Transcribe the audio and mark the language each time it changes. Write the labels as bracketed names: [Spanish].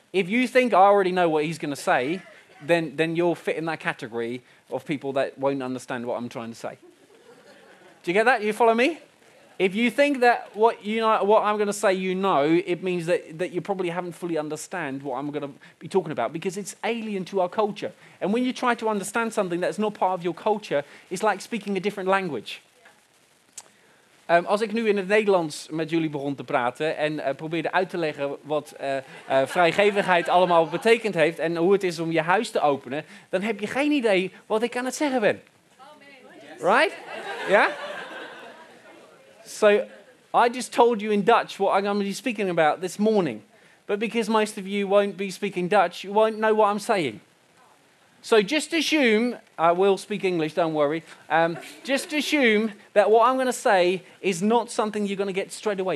[English] If you think I already know what he's going to say, then you'll fit in that category of people that won't understand what I'm trying to say. Do you get that? You follow me? If you think that what you know, what I'm going to say you know, it means that you probably haven't fully understand what I'm going to be talking about, because it's alien to our culture. And when you try to understand something that's not part of your culture, it's like speaking a different language. [Dutch] Als ik nu in het Nederlands met jullie begon te praten en probeerde uit te leggen wat vrijgevigheid allemaal betekend heeft en hoe het is om je huis te openen, dan heb je geen idee wat ik aan het zeggen ben. [English] Right? Yeah? So, I just told you in Dutch what I'm going to be speaking about this morning. But because most of you won't be speaking Dutch, you won't know what I'm saying. So just assume, I will speak English, don't worry. Just assume that what I'm going to say is not something you're going to get straight away.